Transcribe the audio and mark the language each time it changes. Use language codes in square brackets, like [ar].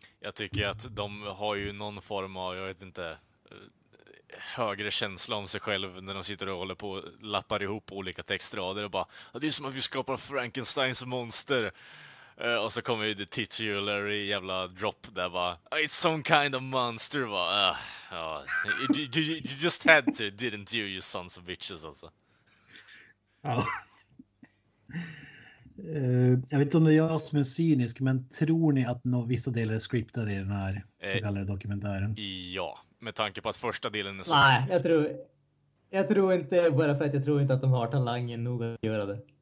[sv] Jag tycker att de har ju någon form av, jag vet inte, högre känsla om sig själv när de sitter och håller på och lappar ihop olika textrader och bara, det är som att vi skapar Frankensteins monster. Och så kommer ju [en] the titulary [sv] jävla drop där, va? [en] It's some kind of monster, va? You just had to, didn't you, you sons of bitches, alltså. [sv] Ja. Jag vet inte om det är jag som är cynisk, men tror ni att vissa delar är scriptade i den här så kallade dokumentären? Ja, med tanke på att första delen är så... Nej, jag tror inte, bara för att jag tror inte att de har talangen nog att göra det.